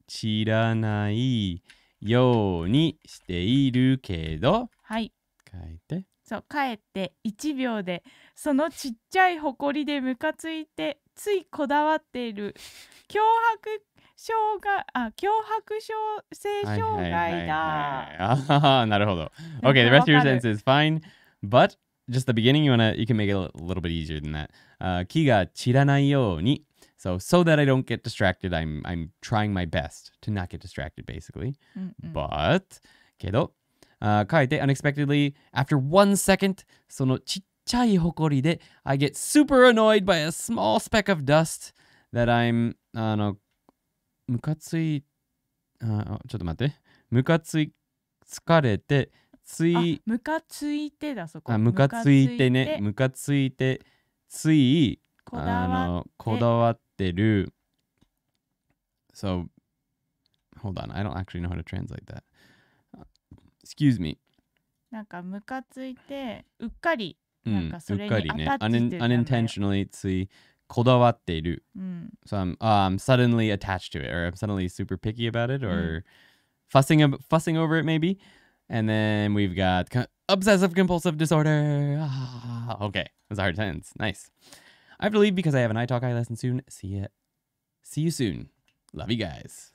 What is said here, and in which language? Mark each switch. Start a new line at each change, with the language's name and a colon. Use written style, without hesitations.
Japanese: 散らないようにしているけど、はい。かえって。そう、かえって1秒で、そのちっちゃいほこりでムカついて、ついこだわっている。脅迫障害、脅迫症性障害だ。なるほど。
English: Okay, the rest of your sentence is fine, but just the beginning, you can make it a little bit easier than that.
Japanese: 気が散らないように。
English: So that I don't get distracted, I'm trying my best to not get distracted, basically. But,
Japanese: けど、かえて
English: unexpectedly, after 1 second,
Japanese: そのちっちゃいほこりで、
English: I get super annoyed by a small speck of dust that I'm,
Japanese: ムカつい、ちょっと待って、ムカつい、疲れて、つい、ムカついてだ、そこ、ムカついてね、ムカついて、つい、こだわってる。
English: So, hold on, I don't actually know how to translate that. Excuse me.
Japanese: なんかムカついて、うっかり、なんかそれにアタッチしてるんだよ。
English: Unintentionally,
Japanese: つい、こだわっている。
English: So I'm suddenly attached to it, or I'm suddenly super picky about it, or fussing over it maybe. And then we've got obsessive compulsive disorder. Okay, that's a hard sentence. Nice. I have to leave because I have an iTalki lesson soon. See ya. See you soon. Love you guys.